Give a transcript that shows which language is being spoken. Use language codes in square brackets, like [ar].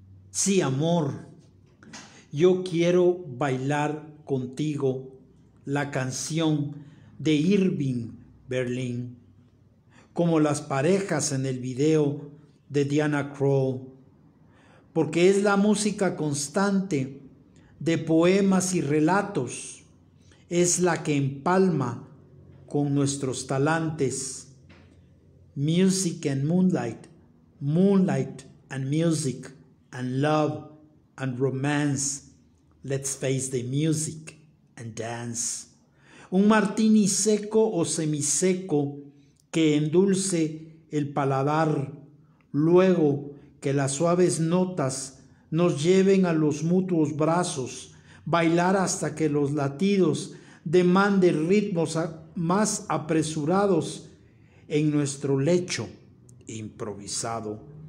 [es] Sí, amor, yo quiero bailar contigo la canción de Irving Berlin, como las parejas en el video de Diana Krall, porque es la música constante de poemas y relatos, es la que empalma con nuestros talantes. [en] Music and moonlight, moonlight and music, and love and romance. Let's face the music and dance. [es] Un martini seco o semiseco que endulce el paladar, luego que las suaves notas nos lleven a los mutuos brazos, bailar hasta que los latidos demanden ritmos más apresurados en nuestro lecho improvisado.